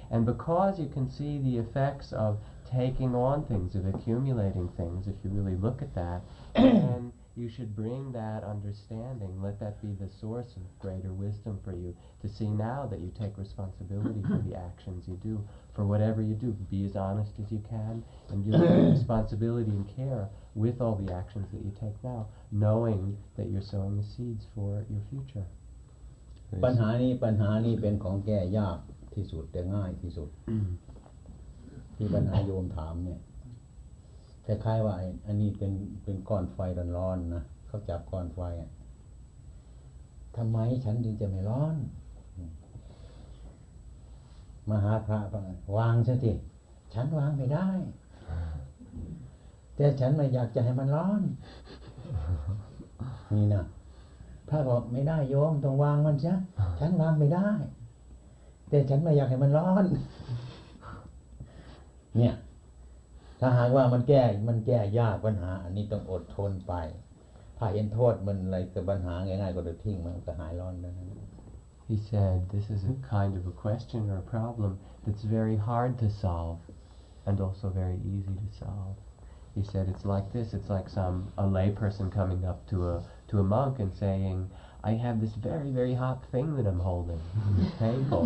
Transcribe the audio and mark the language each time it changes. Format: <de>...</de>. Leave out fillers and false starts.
<en>And because you can see the effects of taking on things, of accumulating things, if you really look at that, then you should bring that understanding, let that be the source of greater wisdom for you, to see now that you take responsibility for the actions you do, for whatever you do, be as honest as you can, and you have responsibility and care with all the actions that you take now, knowing that you're sowing the seeds for your future.</en> <th>ปัญหานี้เป็นของแก้ยากที่สุดแต่ง่ายที่สุดที่ปัญหาโยมถามเนี่ยคล้ายๆว่าอันนี้เป็นก้อนไฟร้อนๆนะเขาจับก้อนไฟทำไมฉันถึงจะไม่ร้อน มหาพระวางซะทีฉันวางไม่ได้แต่ฉันไม่อยากจะให้มันร้อนนี่นะพระบอกไม่ได้โยมต้องวางมันซะฉันวางไม่ได้แต่ฉันไม่อยากให้มันร้อนเนี่ยถ้าหากว่ามันแก้ยากปัญหาอันนี้ต้องอดทนไปถ้าเห็นโทษมันอะไรกับปัญหาง่ายๆก็จะทิ้งมันก็หายร้อนแล้วนะ</th> <en>He said this is a kind of a question or a problem that's very hard to solve and also very easy to solve He said it's like this it's like a lay person coming up to a monk and saying, I have this very, very hot thing that I'm holding. It's painful.</en>